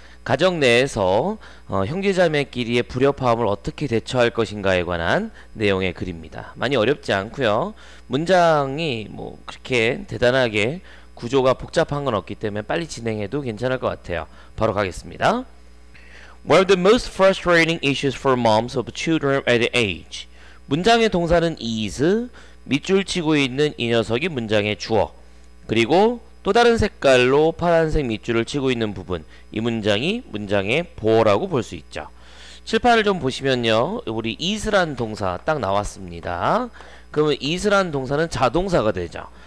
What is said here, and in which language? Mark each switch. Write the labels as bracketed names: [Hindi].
[Korean] 가정 내에서 형제자매끼리의 불협화음을 어떻게 대처할 것인가에 관한 내용의 글입니다. 많이 어렵지 않고요. 문장이 뭐 그렇게 대단하게 구조가 복잡한 건 없기 때문에 빨리 진행해도 괜찮을 것 같아요. 바로 가겠습니다. [English] One of the most frustrating issues for moms of children at age. [Korean] 문장의 동사는 is, 밑줄 치고 있는 이 녀석이 문장의 주어. 그리고 또 다른 색깔로 파란색 밑줄을 치고 있는 부분. 이 문장이 문장의 보어라고 볼수 있죠. 칠판을 좀 보시면요. 우리 is란 동사 딱 나왔습니다. 그러면 is란 동사는 자동사가 되죠.